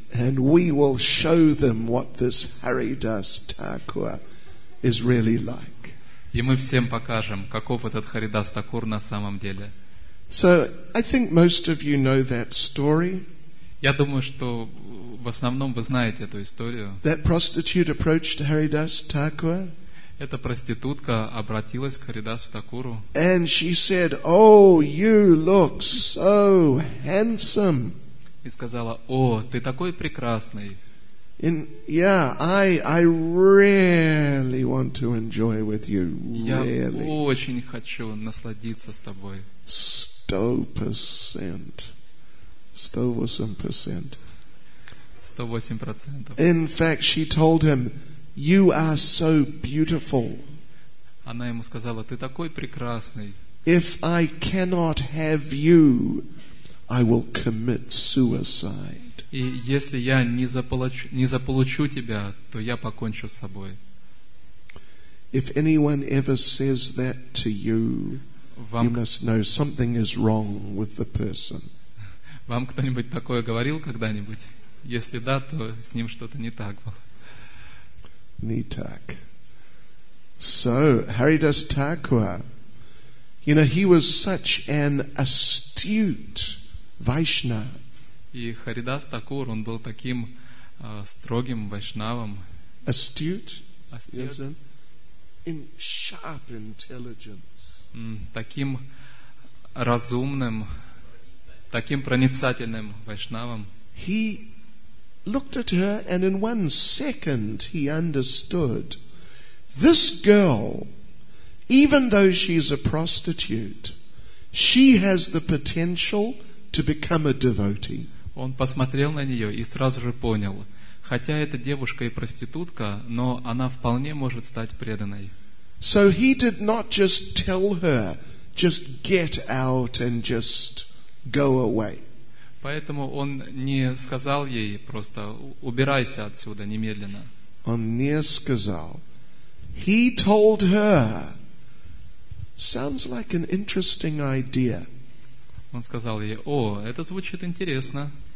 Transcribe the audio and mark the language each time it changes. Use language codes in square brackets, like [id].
[en] And we will show them what this Haridas Thakur is really like. [ru] И мы всем покажем, каков этот Харидас Такур на самом деле. [en] So, I think most of you know that story. [ru] Я думаю, что в основном вы знаете эту историю. [en] That prostitute approached Haridas Thakur. [ru] Эта проститутка обратилась к Харидасу Такуру. [en] And she said, "Oh, you look so handsome." [ru] И сказала: "О, ты такой прекрасный." [en] And yeah, I really want to enjoy with you. Really. [ru] Я очень хочу насладиться с тобой. [en] 100%. 108%. 108%. In fact, she told him, "You are so beautiful." [ru] Она ему сказала: "Ты такой прекрасный." [en] "If I cannot have you, I will commit suicide." [ru] И если я не заполучу тебя, то я покончу с собой. [en] If anyone ever says that to you, you must know something is wrong with the person. [ru] Вам кто-нибудь такое говорил когда-нибудь? Если да, то с ним что-то не так было. Не так. [en] So, Haridas Thakur, you know, he was such an astute Vaishnava. [ru] И Харидас Такур, он был таким строгим вайшнавом. [en] Astute? Astute. In sharp intelligence. [ru] Таким разумным, таким проницательным вайшнавом. [en] He looked at her, and in one second he understood, this girl, even though she's a prostitute, she has the potential to become a devotee. [ru] Он посмотрел на нее и сразу же понял, хотя эта девушка и проститутка, но она вполне может стать преданной. [en] So he did not just tell her, just get out and just go away. [ru] Поэтому он не сказал ей просто: убирайся отсюда немедленно. Он не сказал. [en] He told her. Sounds like an interesting idea. [ru] Он сказал ей: о, это звучит интересно.